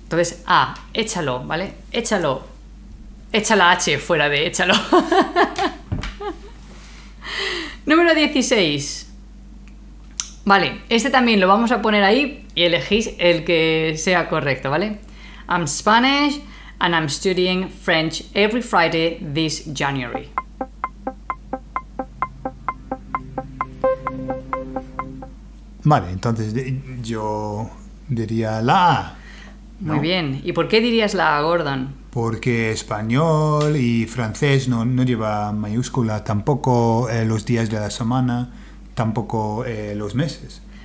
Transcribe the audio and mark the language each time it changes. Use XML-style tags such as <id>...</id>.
<es>Entonces, échalo, ¿vale? Échalo. Echa la H fuera de échalo. Número 16. Vale, este también lo vamos a poner ahí y elegís el que sea correcto, ¿vale?</es> <en>I'm Spanish and I'm studying French every Friday this January.</en> <es>Vale, entonces yo diría la A. No. Muy bien. ¿Y por qué dirías la A, Gordon? Porque español y francés no lleva mayúscula, tampoco los días de la semana, tampoco los meses.</es>